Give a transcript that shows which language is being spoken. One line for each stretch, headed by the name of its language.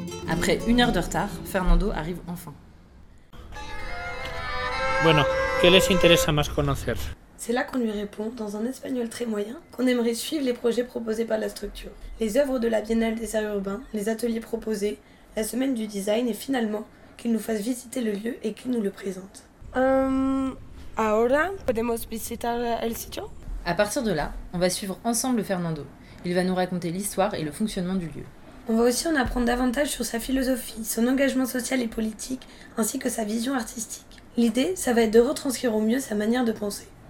French: Après une heure de retard, Fernando arrive enfin.
Spanish: Bueno, ¿qué les interesa más conocer?
French: C'est là qu'on lui répond, dans un espagnol très moyen, qu'on aimerait suivre les projets proposés par la structure. Les œuvres de la Biennale des arts urbains, les ateliers proposés, la semaine du design et finalement, qu'il nous fasse visiter le lieu et qu'il nous le présente.
Spanish: Ahora podemos visitar el sitio?
French: À partir de là, on va suivre ensemble Fernando. Il va nous raconter l'histoire et le fonctionnement du lieu. On va aussi en apprendre davantage sur sa philosophie, son engagement social et politique, ainsi que sa vision artistique. L'idée, ça va être de retranscrire au mieux sa manière de penser.